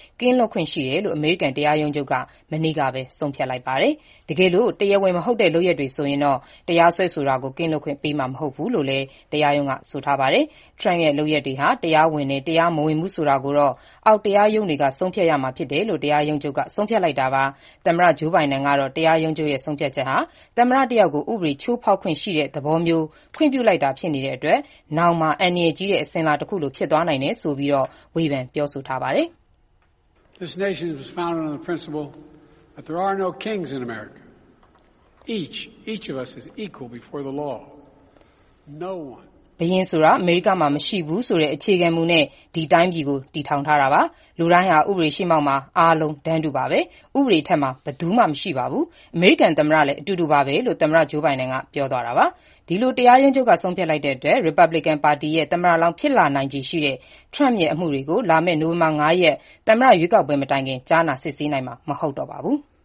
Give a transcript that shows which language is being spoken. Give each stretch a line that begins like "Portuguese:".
Burmese: ကင်းလွတ်ခွင့်ရှိတယ်လို့အမေရိကန်တရားရုံးချုပ်ကမနေ့ကပဲဆုံးဖြတ်လိုက်ပါတယ်။တကယ်လို့တရားဝင်မဟုတ်တဲ့လုပ်ရည်တွေဆိုရင်တော့တရားစွဲဆိုတာကိုကင်းလွတ်ခွင့်ပေးမှာမဟုတ်ဘူးလို့လည်းတရားရုံးကဆိုထားပါတယ်။ထရန့်ရဲ့လုပ်ရည်တွေဟာတရားဝင်နဲ့တရားမဝင်ဘူးဆိုတာကိုတော့အောက်တရားရုံးတွေကဆုံးဖြတ်ရမှာဖြစ်တယ်လို့တရားရုံးချုပ်ကဆုံးဖြတ်လိုက်တာပါ။သမ္မတဂျိုးဘိုင်နန်ကတော့တရားရုံးချုပ်ရဲ့ဆုံးဖြတ်ချက်ဟာသမ္မတတယောက်ကိုဥပဒေချိုးဖောက်ခွင့်ရှိတဲ့သဘောမျိုးခွင့်ပြုလိုက်တာဖြစ်နေတဲ့အတွက်နောက်မှာအန္တရာယ်ကြီးတဲ့အစဉ်လာတစ်ခုလို့ဖြစ်သွားနိုင်တယ်ဆိုပြီးတော့ဝေဖန်ပြောဆိုထားပါတယ်
English: ။ This nation was founded on the principle that there are no kings in America. Each of us is equal before the law. No one.
Burmese: ဘရင်ဆိုတာအမေရိကမှာမရှိဘူးဆိုတဲ့အခြေခံမှုနဲ့ဒီတိုင်းပြည်ကိုတည်ထောင်ထားတာပါလူတိုင်းဟာဥပဒေရှိမှမှအားလုံးတန်းတူပါပဲဥပဒေထက်မှဘယ်သူမှမရှိပါဘူးအမေရိကန်သမ္မတလည်းအတူတူပါပဲလို့သမ္မတဂျိုးဘိုင်နန်ကပြောသွားတာပါဒီလိုတရားရုံးချုပ်ကဆုံးဖြတ်လိုက်တဲ့အတွက် Republican Party ရဲ့သမ္မတလောင်းဖြစ်လာနိုင်ခြေရှိတဲ့ Trump ရဲ့အမှုတွေကိုလာမယ့်နိုဝင်ဘာ5ရက်သမ္မတရွေးကောက်ပွဲမတိုင်ခင်ကြားနာစစ်ဆေးနိုင်မှာမဟုတ်တော့ပါဘူး